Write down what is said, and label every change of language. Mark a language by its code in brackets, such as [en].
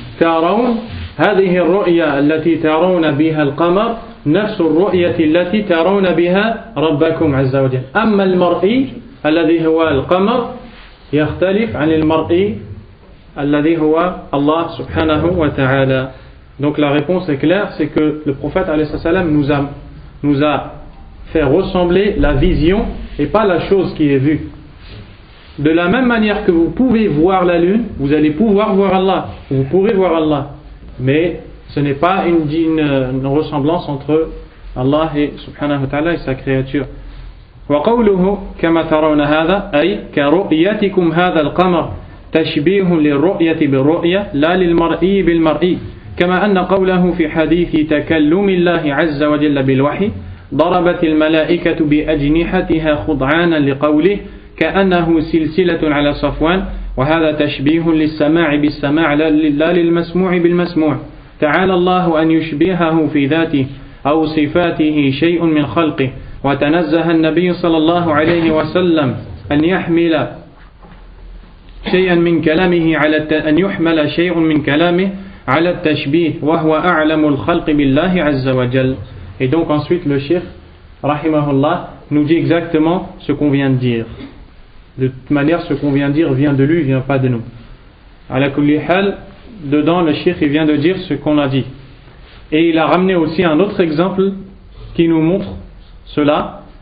[ar] ترون هذه الرؤية التي ترون بها القمر نفس الرؤية التي ترون بها ربكم عز وجل. أما المرئي الذي هو القمر يختلف عن المرئي الذي هو الله سبحانه وتعالى. [fr] Donc la réponse est claire, c'est que le prophète [ar] عليه الصلاة والسلام [fr] nous a faire ressembler la vision et pas la chose qui est vue. De la même manière que vous pouvez voir la lune, vous allez pouvoir voir Allah, vous pourrez voir Allah, mais ce n'est pas une ressemblance entre Allah et [ar] subhanahu wa ta'ala [fr] et sa créature. [ar] وقوله كما ترون هذا أي كرؤيتكم هذا القمر تشبيه للرؤية بالرؤية لا للمرئي بالمرئي كما أن قوله في حديث تكلم الله عز وجل بالوحي ضربت الملائكة بأجنحتها خضعانا لقوله كأنه سلسلة على صفوان وهذا تشبيه للسماع بالسماع لا للمسموع بالمسموع تعالى الله أن يشبهه في ذاته أو صفاته شيء من خلقه وتنزه النبي صلى الله عليه وسلم أن يحمل شيئا من كلامه على أن يحمل شيء من كلامه على التشبيه وهو أعلم الخلق بالله عز وجل. [fr] Et donc ensuite le Cheikh, rahimahullah, nous dit exactement ce qu'on vient de dire. De toute manière, ce qu'on vient de dire vient de lui, vient pas de nous. [ar] À la kulli hal, [fr] dedans le Cheikh il vient de dire ce qu'on a dit. Et il a ramené aussi un autre exemple qui nous montre cela.